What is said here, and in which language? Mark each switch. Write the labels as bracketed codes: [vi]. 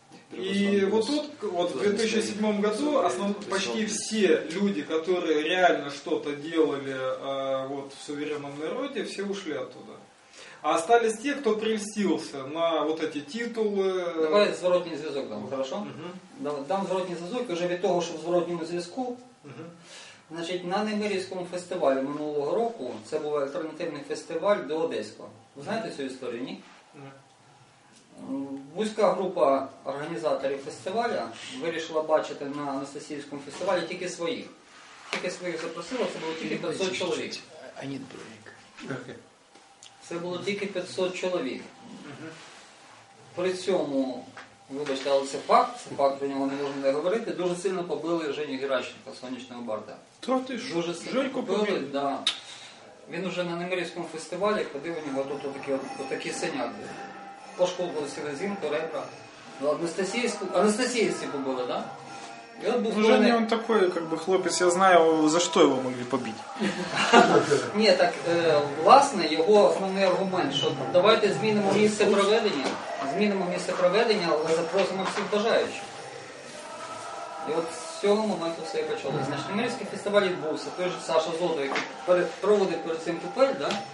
[ru] И вот тут, вот в 2007 году, почти все люди, которые реально что-то делали вот, в суверенном народе, все ушли оттуда. А остались те, кто прельстился на вот эти титулы. [uk] Давай зворотний зв'язок дам, хорошо? Угу. Дам зворотний зв'язок, уже від того, що в зворотньому зв'язку. Угу. Значить, на Немирівському фестивалі минулого року, це був альтернативний фестиваль до Одеського. Ви знаєте цю історію, ні? Угу. Вузька група організаторів фестивалю вирішила бачити на Анастасіївському фестивалі тільки своїх. Тільки своїх запросило, це було тільки 500 чоловік. А ні, чоловік. Це було тільки 500 чоловік. При цьому, вибачте, але це факт, про нього не можна не говорити, дуже сильно побили Женю Геращенко, сонячного барда. Та ти ж, дуже сильно Женько побили. Да. Він уже на Немирівському фестивалі ходив у нього тут отакі синяки. Пошкодилися резинку, ребра. Анастасіївці побили, так? Да? [ru] Ну, Женя, он такой, как бы, хлопец, я знаю, за что его могли побить. [uk] Ні, так, власне, його основний аргумент, що давайте змінимо місце проведення, але запросимо всіх бажаючих. І от з цього моменту все і почалося. Значить, Немирівський фестиваль відбувся, той же Саша Зодо, який проводив перед цим купель, да?